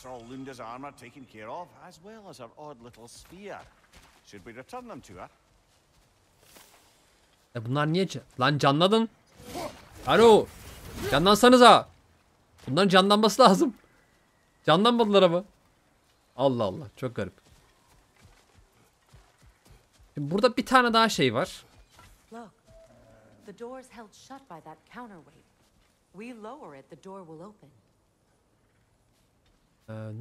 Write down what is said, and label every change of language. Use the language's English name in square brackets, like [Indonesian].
[English] Lunda's armor taken care of, as well as her odd little spear. Should we return them to her? [Turkish] E bunlar niye lan canladın? Alo! Canlansanıza! Bunların canlanması lazım. Canlanmadılar ama. Allah Allah, çok garip. Şimdi burada bir tane daha şey var. [English] Look, the door's held shut by that counterweight. We lower it, the door will open.